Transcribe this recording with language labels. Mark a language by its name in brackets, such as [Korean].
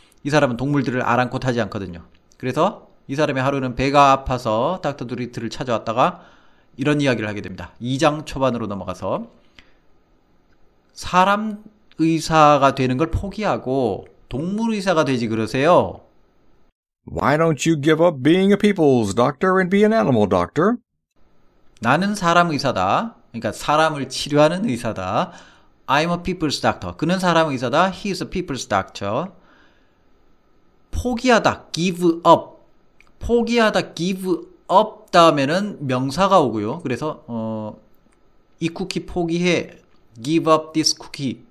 [Korean] 이 사람은 동물들을 아랑곳하지 않거든요. 그래서 이 사람의 하루는 배가 아파서 닥터 두리틀을 찾아왔다가 이런 이야기를 하게 됩니다. 2장 초반으로 넘어가서 사람 의사가 되는 걸 포기하고 동물 의사가 되지 그러세요? [English] Why don't you give up being a people's doctor and be an animal doctor? [Korean] 나는 사람 의사다. 그러니까 사람을 치료하는 의사다. [English] I'm a people's doctor. [Korean] 그는 사람 의사다. [English] He's a people's doctor. [Korean] 포기하다. [English] Give up. [Korean] 포기하다. [English] Give up [Korean] 다음에는 명사가 오고요. 그래서 이 쿠키 포기해. [English] Give up this cookie.